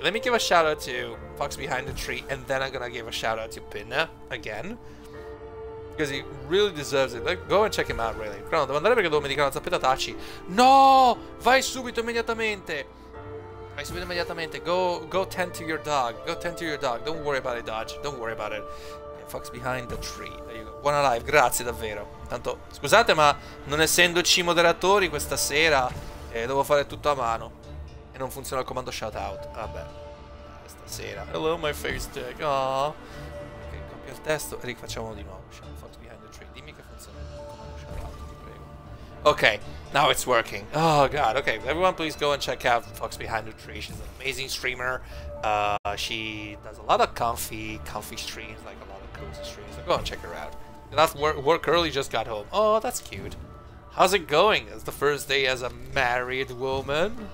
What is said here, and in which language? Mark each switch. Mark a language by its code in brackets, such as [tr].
[en] Let me give a shout out to Fox behind the tree, and then I'm gonna give a shout out to Pinna again, because he really deserves it. Like, go and check him out, really. [it] No, devo andare perché devo medicare la zappetta. Taci. No, vai subito immediatamente. Vai subito immediatamente. [en] Go tend to your dog. Go tend to your dog. Don't worry about it, Dodge. Don't worry about it. Fox behind the tree. There you go. [it] Buona live. Grazie davvero. Tanto, scusate, ma non essendoci moderatori questa sera, devo fare tutto a mano. E non funziona il comando shoutout. Vabbè. Stasera. [en] Hello, my face tag. Aww. [it] Ok, copio il testo e rifacciamolo di nuovo. Shout Fox behind the tree. Dimmi che funziona il comando shoutout, ti prego. [en] Ok, now it's working. Oh god, ok. Everyone please go and check out Fox behind the tree. She's an amazing streamer. She does a lot of comfy streams, like a lot of cozy streams. So go and check her out. That's work early, just got home. Oh, that's cute. How's it going? It's the first day as a married woman.